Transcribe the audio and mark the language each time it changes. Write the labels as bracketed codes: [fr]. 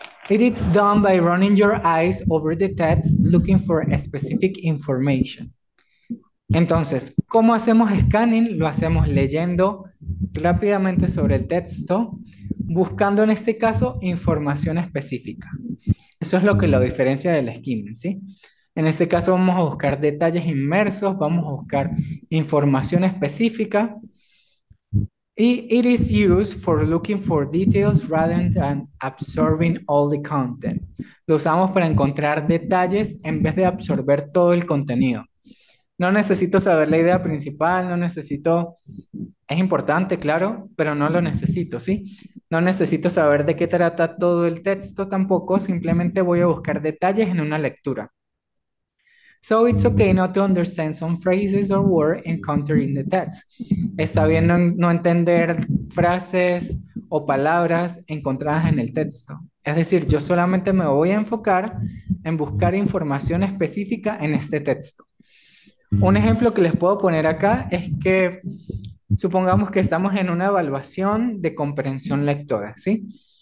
[en] It is done by running your eyes over the text looking for specific information. [es] Entonces, ¿cómo hacemos scanning? Lo hacemos leyendo rápidamente sobre el texto, buscando en este caso información específica. Eso es lo que lo diferencia del skimming, ¿sí? En este caso vamos a buscar detalles inmersos, vamos a buscar información específica. [en] Y it is used for looking for details rather than absorbing all the content. [es] Lo usamos para encontrar detalles en vez de absorber todo el contenido. No necesito saber la idea principal, no necesito, es importante, claro, pero no lo necesito, ¿sí? No necesito saber de qué trata todo el texto tampoco, simplemente voy a buscar detalles en una lectura. [en] So it's okay not to understand some phrases or words encountered in the text. [es] Está bien no entender frases o palabras encontradas en el texto. Es decir, yo solamente me voy a enfocar en buscar información específica en este texto. Un ejemplo que les puedo poner acá es que supongamos que estamos en una evaluación de comprensión lectora, ¿sí?